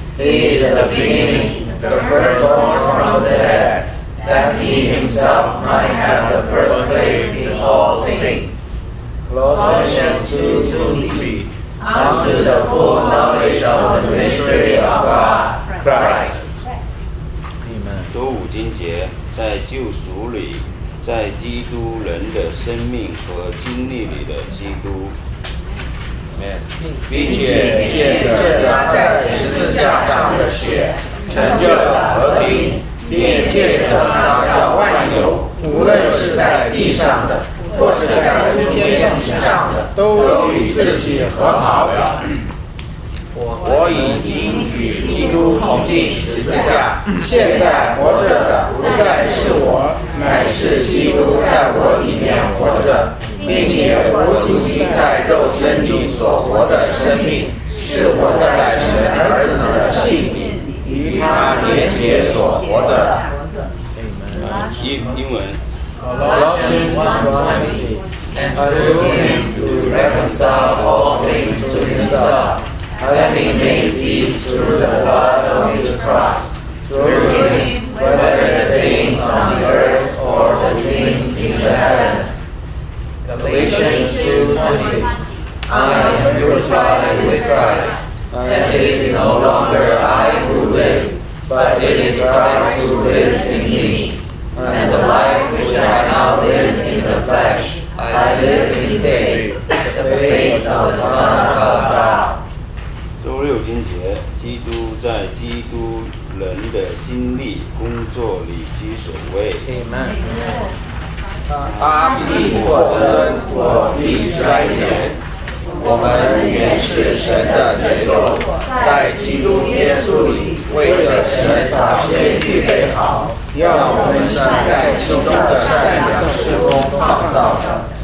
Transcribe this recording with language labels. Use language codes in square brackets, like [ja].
[en] He is the beginning, the firstborn from the dead, that he himself might have the first place in all things. Colossians 2:2b. Come to the full knowledge of the mystery of God, Christ. [zh] 读五经节，在救赎里，在基督人的生命和经历里的基督，并且见证他在十字架上的血，成就了和平，并借着他叫万有，无论是在地上的，或者在诸天上的，都与自己和好了。我已经与基督同钉十字架，现在活着的不再是我，乃是基督在我里面活着，并且我如今在肉身里所活的生命，是我在神儿子的信里与他连结所活着的。英文 [en] Colossians 1:20 and through him to reconcile all things to himself. Having made peace through the blood of his cross, through him, whether the things on the earth or the things in the heavens. Galatians 2:20. I am crucified with Christ, and it is no longer I who live, but it is Christ who lives in me. And the life which I now live in the flesh, I live in faith, the faith of the Son of God. [zh] 周六经节，基督在基督人的经历工作里居首位。 [en] Amen。 [zh] 他必获尊，我必衰减。我们原是神的杰作，在基督耶稣里，为着神早先预备好，要我们行在其中的善良事工创造的。